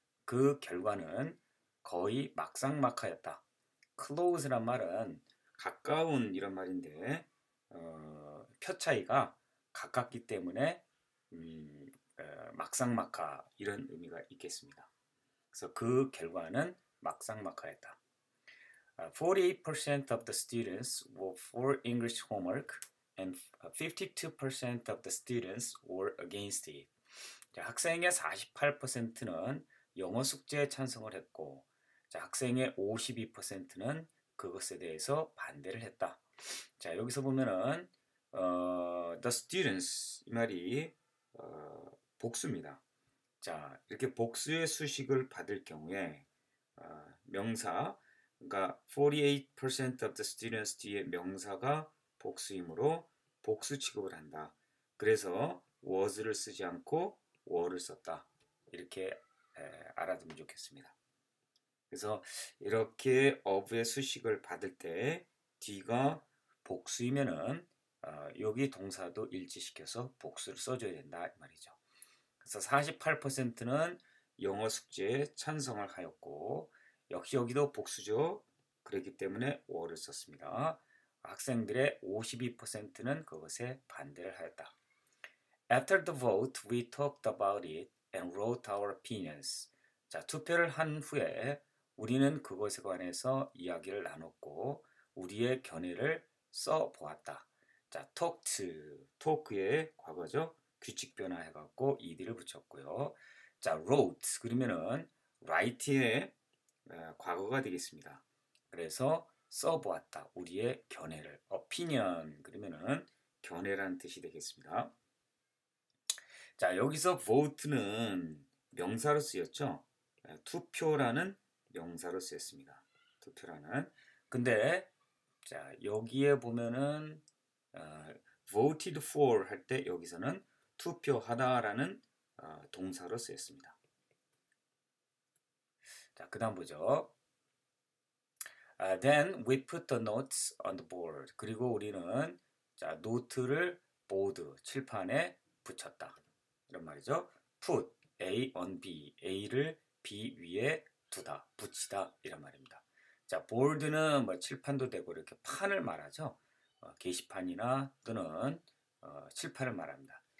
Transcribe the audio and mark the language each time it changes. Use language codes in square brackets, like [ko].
[ko] 그 결과는 거의 막상막하였다. Close란 말은 가까운 이런 말인데 표 차이가 가깝기 때문에 막상막하 이런 의미가 있겠습니다. 그래서 그 결과는 막상막하였다. [en] 48% of the students were for English homework and 52% of the students were against it. [ko] 자, 학생의 48%는 영어 숙제에 찬성을 했고, 자, 학생의 52%는 그것에 대해서 반대를 했다. 자, 여기서 보면은 the students 이 말이 복수입니다. 자, 이렇게 복수의 수식을 받을 경우에 명사, 그러니까 [en] 48% of the students [ko] 뒤에 명사가 복수이므로 복수 취급을 한다. 그래서 was를 쓰지 않고 were를 썼다. 이렇게 알아두면 좋겠습니다. 그래서 이렇게 of의 수식을 받을 때 뒤가 복수이면은 여기 동사도 일치시켜서 복수를 써줘야 된다 이 말이죠. 그래서 48%는 영어 숙제에 찬성을 하였고, 역시 여기도 복수죠. 그렇기 때문에 were를 썼습니다. 학생들의 52%는 그것에 반대를 하였다. [en] After the vote, we talked about it and wrote our opinions. [ko] 자, 투표를 한 후에 우리는 그것에 관해서 이야기를 나눴고, 우리의 견해를 써보았다. 자, talk의 과거죠. 규칙 변화해갖고 ed를 붙였고요. 자, wrote 그러면은 write의 과거가 되겠습니다. 그래서 써보았다. 우리의 견해를 opinion 그러면은 견해란 뜻이 되겠습니다. 자, 여기서 vote는 명사로 쓰였죠. 투표라는 명사로 쓰였습니다. 투표라는. 근데 자, 여기에 보면은 voted for 할때 여기서는 투표하다라는 동사로 쓰였습니다. 자, 그다음 보죠. [en] Then we put the notes on the board. [ko] 그리고 우리는 자, 노트를 보드, 칠판에 붙였다. 이런 말이죠. [en] Put A on B. [ko] A를 B 위에 두다. 붙이다. 이런 말입니다. 자, 보드는 뭐 칠판도 되고 이렇게 판을 말하죠. 게시판이나 또는 칠판을 말합니다.